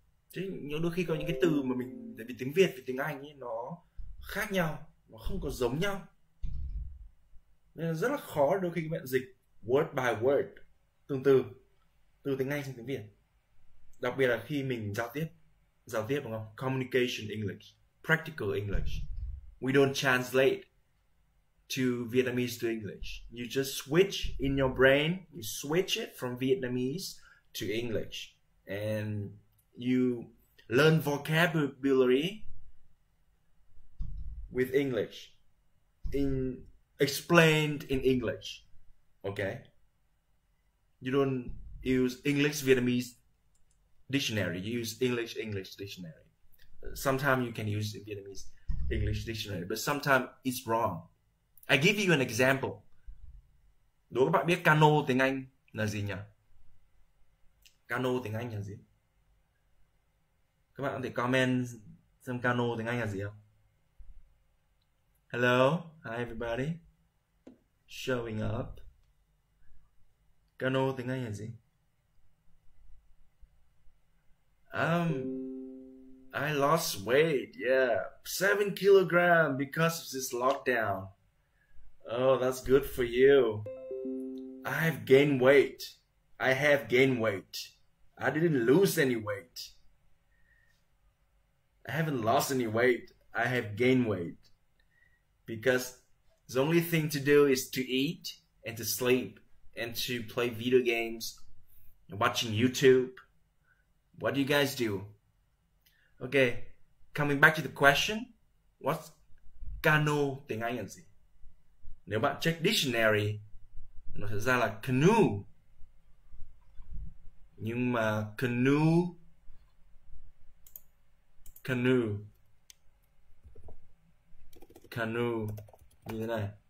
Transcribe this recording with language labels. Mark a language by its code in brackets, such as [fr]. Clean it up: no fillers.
[vi] Chứ nhiều đôi khi có những cái từ mà mình tại vì tiếng Việt với tiếng Anh ấy, nó khác nhau, nó không có giống nhau nên là rất là khó đôi khi các bạn dịch [en] word by word [vi] từng từ từ tiếng Anh sang tiếng Việt, đặc biệt là khi mình giao tiếp đúng không, [en] communication English, practical English, we don't translate to Vietnamese to English. You just switch in your brain, you switch it from Vietnamese to English, and you learn vocabulary with English, in explained in English. Okay? You don't use English Vietnamese dictionary. You use English English dictionary. Sometimes you can use Vietnamese English dictionary, but sometimes it's wrong. I give you an example. [vi] Đố các bạn biết cano tiếng Anh là gì nhỉ? Cano tiếng Anh là gì? Các bạn có thể comment xem cano tiếng Anh là gì không? [en] Hello, hi everybody. Showing up. [vi] Cano tiếng Anh là gì? [en] I lost weight, yeah, 7 kg because of this lockdown. Oh, that's good for you. I've gained weight. I have gained weight. I didn't lose any weight. I haven't lost any weight. I have gained weight. Because the only thing to do is to eat and to sleep and to play video games and watching YouTube. What do you guys do? Okay, coming back to the question, what's cano [vi] tiếng Anh là gì? Nếu bạn check dictionary, nó sẽ ra là canoe. Nhưng mà canoe, canoe, canoe như thế này.